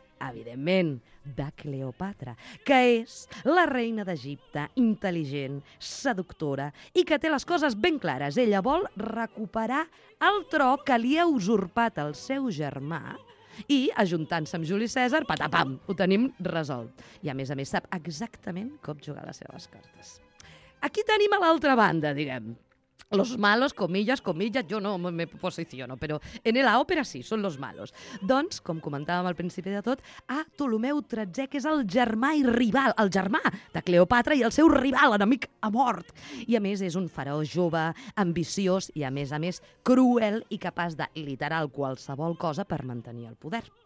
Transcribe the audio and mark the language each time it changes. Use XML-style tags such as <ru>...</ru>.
<ca>Evidentment, de Cleopatra, que és la reina d'Egipte, intel·ligent, seductora, i que té les coses ben clares. Ella vol recuperar el tro que li ha usurpat el seu germà i, ajuntant-se amb Juli César, patapam, ho tenim resolt. I, a més, sap exactament com jugar les seves cartes. Aquí tenim a l'altra banda, diguem.</ca> <es>Los malos, comillas, yo no me posiciono, pero en la ópera sí, son los malos.</es> <ca>Doncs, com comentàvem al principi de tot, a Ptolomeu XIII, que és el germà i rival, el germà de Cleopatra i el seu rival, enemic a mort. I, a més, és un faraó jove, ambiciós i, a més, cruel i capaç de literal qualsevol cosa per mantenir el poder.</ca>